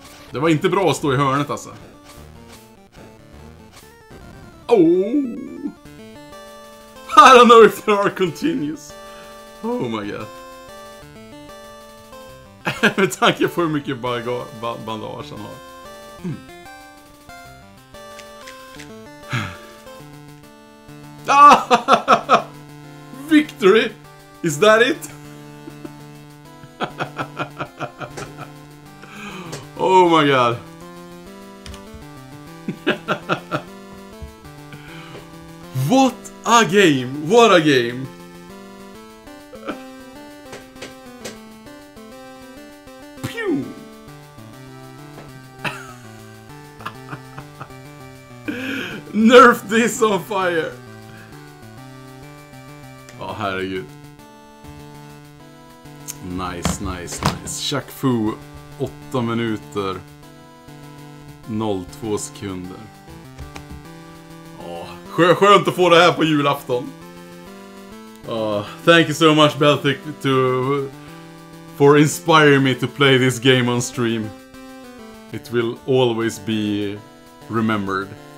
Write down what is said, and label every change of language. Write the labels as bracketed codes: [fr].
[sv] Det var inte bra att stå i hörnet alltså. [en] Oh. I don't know if there are continues. Oh my god. [sv] med tanke på hur mycket bandage han har. [en] Victory! Is that it? Oh my god. What a game! What a game! Nerf this on fire! [sv] Åh, herregud. [en] Nice, nice, nice. [sv] Shaq Fu, 8 minuter. 02 sekunder. Åh, skönt att få det här på julafton. [en] Thank you so much, Beltic, for inspiring me to play this game on stream. It will always be remembered.